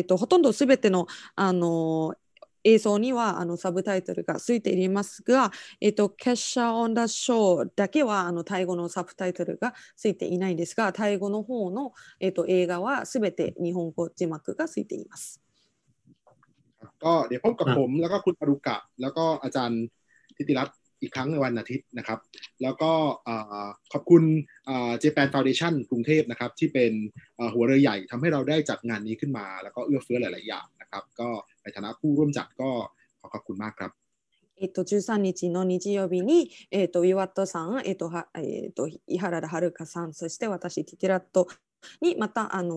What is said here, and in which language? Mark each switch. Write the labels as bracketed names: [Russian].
[Japanese] ほとんど全ての、映像にはサブタイトルがついていますが、Catcher on the Shore だけはタイ語のサブタイトルがついていないんですが、タイ語の方の映画はすべて日本語字幕がついています。 [Thai] ก็เดี๋ยวพบกับผมแล้วก็คุณอรุกะแล้วก็อาจารย์ทิติรัตน์อีกครั้งในวันอาทิตย์นะครับแล้วก็ขอบคุณJapan Foundation กรุงเทพนะครับที่เป็นหัวเรือใหญ่ทำให้เราได้จัดงานนี้ขึ้นมาแล้วก็เอื้อเฟื้อหลายๆอย่างนะครับก็ในฐานะผู้ร่วมจัดก็ขอขอบคุณมากครับ [Japanese] 13日の日曜日に岩田さん伊原田遥さんそして私ティティラットにまた